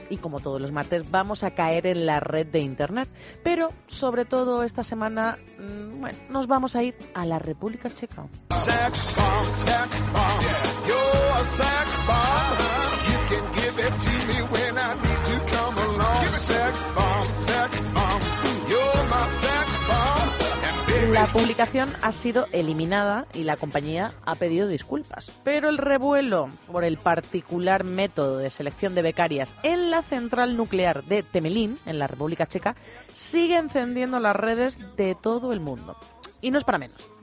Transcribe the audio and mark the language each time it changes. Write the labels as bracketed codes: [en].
[es] Y como todos los martes, vamos a caer en la red de internet. Pero, sobre todo esta semana, bueno, nos vamos a ir a la República Checa. [en] Sex bomb, sex bomb. You're a sex bomb. You can give it to me when I need to come along. Sex bomb, sex bomb. You're my sex bomb. [es] La publicación ha sido eliminada y la compañía ha pedido disculpas. Pero el revuelo por el particular método de selección de becarias en la central nuclear de Temelín, en la República Checa, sigue encendiendo las redes de todo el mundo. Y no es para menos.